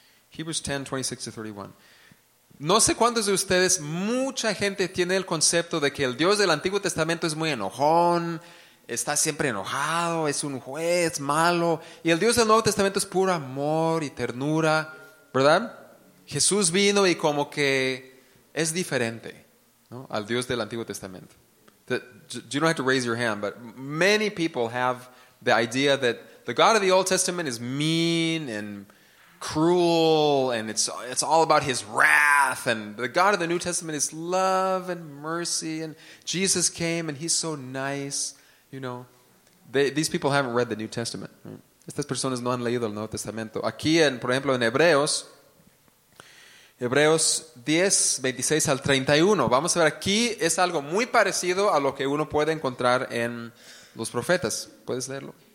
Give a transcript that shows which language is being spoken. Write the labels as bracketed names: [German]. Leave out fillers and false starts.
[Spanish] Hebrews 10:26-31. No sé cuántos de ustedes, mucha gente tiene el concepto de que el Dios del Antiguo Testamento es muy enojón, está siempre enojado, es un juez malo. Y el Dios del Nuevo Testamento es puro amor y ternura, ¿verdad? Jesús vino y como que es diferente, ¿no?, al Dios del Antiguo Testamento. [English] You don't have to raise your hand, but many people have the idea that the God of the Old Testament is mean and cruel and it's all about his wrath, and the God of the New Testament is love and mercy and Jesus came and he's so nice. You know, these people haven't read the New Testament. [Spanish] Estas personas no han leído el Nuevo Testamento. Aquí, en, por ejemplo, en Hebreos, Hebreos 10, 26 al 31. Vamos a ver, aquí es algo muy parecido a lo que uno puede encontrar en los profetas. ¿Puedes leerlo?